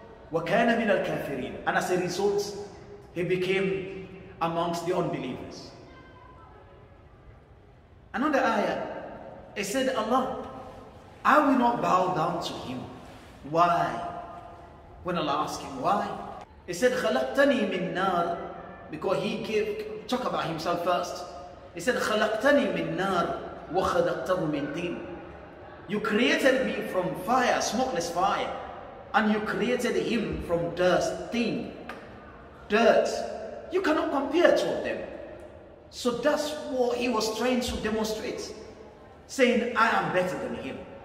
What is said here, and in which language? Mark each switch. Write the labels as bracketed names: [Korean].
[Arabic] وَكَانَ مِنَ الْكَافِرِينَ. [English] And as a result, he became amongst the unbelievers. Another ayah, it said, Allah, I will not bow down to him. Why? When Allah asked him, why? He said, [Arabic] خَلَقْتَنِي مِن نَار. [English] Because he gave, talk about himself first. He said, [Arabic] خَلَقْتَنِي مِن نَار وَخَلَقْتَهُ مِن تِين. [English] You created me from fire, smokeless fire. And you created him from dust, thing, dirt. You cannot compare two of them. So that's what he was trying to demonstrate, saying, I am better than him.